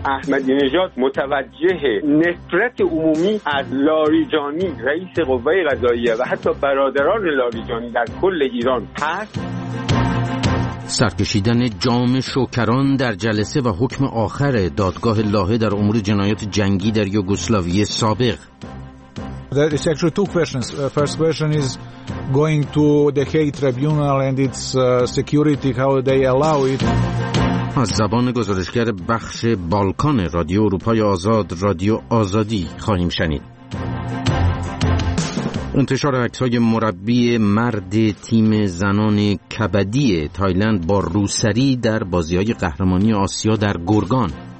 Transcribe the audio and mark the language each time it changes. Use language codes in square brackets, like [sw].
[fa] احمدی نژاد متوجه نفرت عمومی از لاریجانی رئیس قوه قضاییه و حتی برادران لاریجانی در کل ایران هست. سرکشیدن جام شوکران در جلسه و حکم آخر دادگاه لاهه در امور جنایات جنگی در یوگسلاوی سابق. [en] There is actually two versions. First version is going to the Hague tribunal and its security, how they allow it. [fa] از زبان گزارشگر بخش بالکان رادیو اروپای آزاد، رادیو آزادی خواهیم شنید. انتشار عکس‌های مربی مرد تیم زنان کبدی تایلند با روسری در بازی‌های قهرمانی آسیا در گرگان.